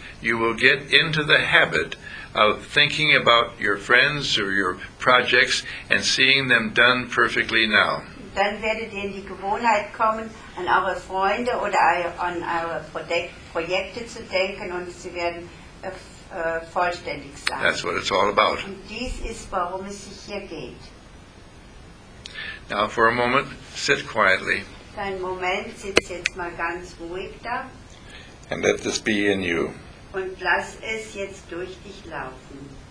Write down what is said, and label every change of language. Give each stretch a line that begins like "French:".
English: You will get into the habit of thinking about your friends or your projects and seeing them done perfectly now.
German: Dann werdet ihr in die Gewohnheit kommen, an eure Freunde oder an eure Projekte zu denken und sie werden vollständig sein.
English: That's what it's all about.
German: Und dies ist, worum es sich hier geht.
English: Now for a moment, sit quietly.
German: Einen Moment, sitz jetzt mal ganz ruhig da.
English: And let this be in you.
German: Und lass es jetzt durch dich laufen.